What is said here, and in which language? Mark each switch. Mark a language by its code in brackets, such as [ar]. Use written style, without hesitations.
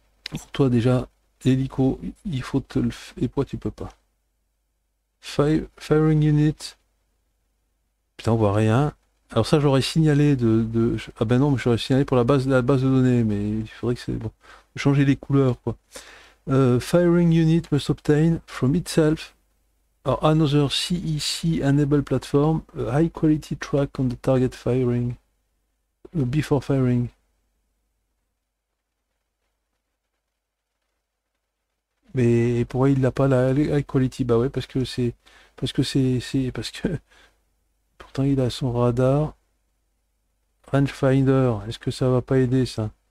[fr] Pour toi déjà, hélico, il faut te le... F... Et toi, tu peux pas. [en] Firing unit. [fr] Putain, on voit rien. Alors ça j'aurais signalé de... Ah ben non, mais j'aurais signalé pour la base de données, mais il faudrait que c'est bon. Changer les couleurs, quoi. [en] Firing unit must obtain from itself or another CEC enable platform a high quality track on the target firing before firing. [fr] Mais pourquoi il n'a pas la high quality? Bah ouais, parce que c'est... Parce que c'est... Parce que... Pourtant, il a son radar. Rangefinder, est-ce que ça va pas aider ça?